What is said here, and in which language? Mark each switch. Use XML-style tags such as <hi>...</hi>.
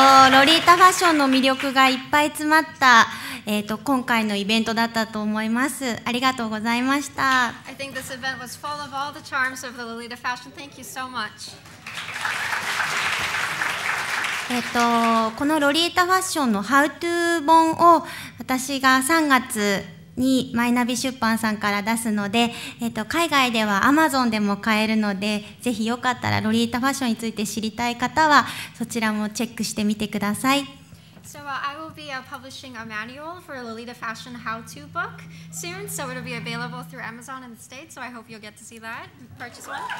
<ja>ロリータファッションの魅力がいっぱい詰まった今回のイベントだったと思います。ありがとうございました。</ja> <en>I think this event was full of all the charms of the Lolita fashion. Thank you so much.</en> <ja>このロリータファッションのハウトゥー本を私が3月にマイナビ出版さんから出すので、海外ではアマゾンでも買えるのでぜひよかったらロリータファッションについて知りたい方はそちらもチェックしてみてください。</ja> <en>So, I will be publishing a manual for a Lolita fashion how-to book soon, so it'll be available through Amazon in the States, so I hope you'll get to see that and purchase one.</en>